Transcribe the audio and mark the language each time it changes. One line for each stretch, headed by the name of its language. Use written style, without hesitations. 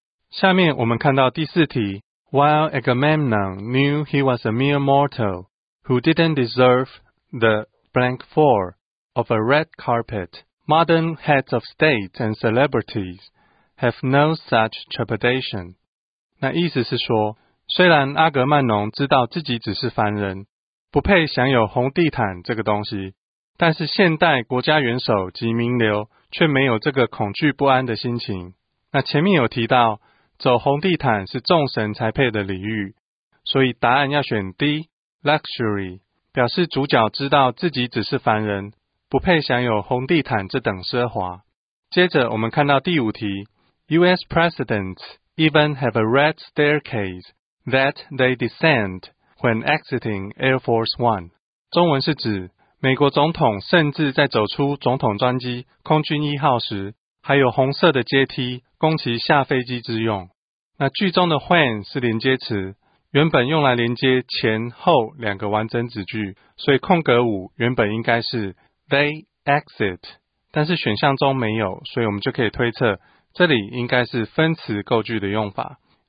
Chinese: 下面我们看到第四题。
English: While Agamemnon knew he was a mere mortal who didn't deserve the blank floor of a red carpet, modern heads of state and celebrities have no such trepidation.
Chinese: 那意思是说，虽然阿格曼农知道自己只是凡人，不配享有红地毯这个东西，但是现代国家元首及名流却没有这个恐惧不安的心情。那前面有提到，走红地毯是众神才配的礼遇，所以答案要选 D, luxury, 表示主角知道自己只是凡人，不配享有红地毯这等奢华。接着我们看到第五题，
English: US presidents even have a red staircase,that they descend when exiting Air Force One.
Chinese: 中文是指美国总统甚至在走出总统专机空军一号时还有红色的阶梯供其下飞机之用。那句中的 when 是连接词，原本用来连接前后两个完整子句，所以空格五原本应该是
English: they exit,
Chinese: 但是选项中没有，所以我们就可以推测这里应该是分词构句的用法，